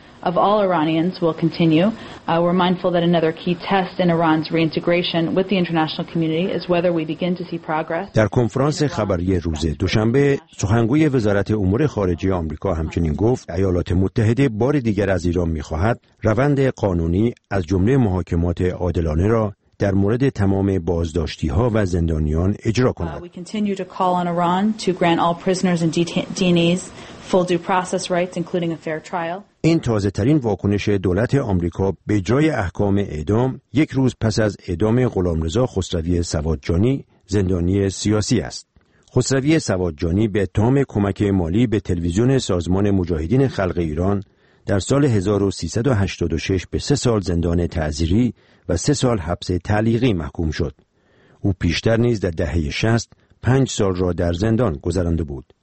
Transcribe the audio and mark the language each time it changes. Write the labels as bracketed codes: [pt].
[en] Of all Iranians will continue. We're mindful that another key test in Iran's reintegration with the international community is whether we begin to see progress. [fa] در کنفرانس خبری روز دوشنبه، سخنگوی وزارت امور خارجه آمریکا همچنین گفت ایالات متحده بار دیگر از ایران می‌خواهد روند قانونی از جمله محاکمات عادلانه را در مورد تمام بازداشتی‌ها و زندانیان اجرا کند. [en] We continue to call on Iran to grant all prisoners and detainees full due process rights including a fair trial. [fa] این تازه ترین واکنش دولت آمریکا به اجرای احکام اعدام یک روز پس از اعدام غلامرضا خسروی سواد‌جانی، زندانی سیاسی است. خسروی سواد‌جانی به اتهام کمک مالی به تلویزیون سازمان مجاهدین خلق ایران در سال 1386 به 3 سال زندان تعزیری و 3 سال حبس تعلیقی محکوم شد. او پیشتر نیز در دهه 60 5 سال را در زندان گذرانده بود.